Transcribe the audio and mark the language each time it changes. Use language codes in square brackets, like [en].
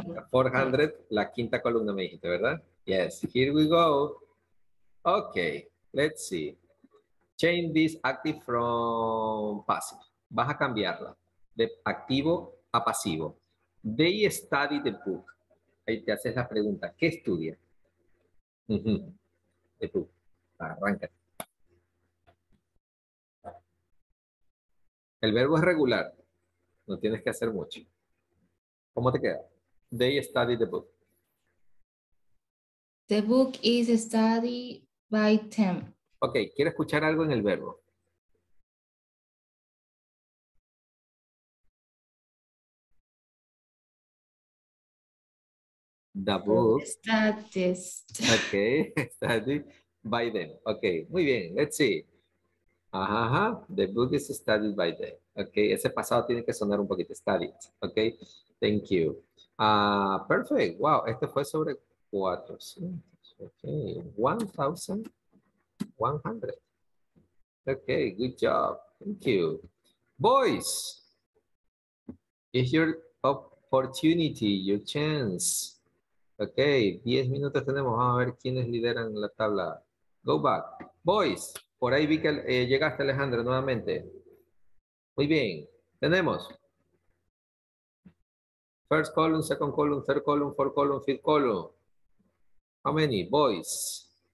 [en] Four hundred, [es] la quinta columna, me dijiste, ¿verdad? [en] Yes, here we go. Okay, let's see. Change this active from passive. [es] Vas a cambiarla. De activo a pasivo. [en] They study the book. [es] Ahí te haces la pregunta. ¿Qué estudia? [en] The book. [es] Arranca. El verbo es regular. No tienes que hacer mucho. ¿Cómo te queda? [en] They study the book. The book is studied by them. [es] Ok, quiero escuchar algo en el verbo. [en] The book. Studies. Okay, studied by them. Okay, [es] muy bien. [en] Let's see. Ajá. The book is studied by them. [es] Okay, ese pasado tiene que sonar un poquito. [en] Studied. Okay, thank you. Perfect. [es] Wow, este fue sobre 400. Okay, 1100. [en] Okay, good job. Thank you. Boys, it's your opportunity, your chance. [es] Ok, 10 minutos tenemos. Vamos a ver quiénes lideran la tabla. [en] Go back. [es] Boys, por ahí vi que llegaste, Alejandro, nuevamente. Muy bien. Tenemos. [en] First column, second column, third column, fourth column, fifth column. How many? Boys.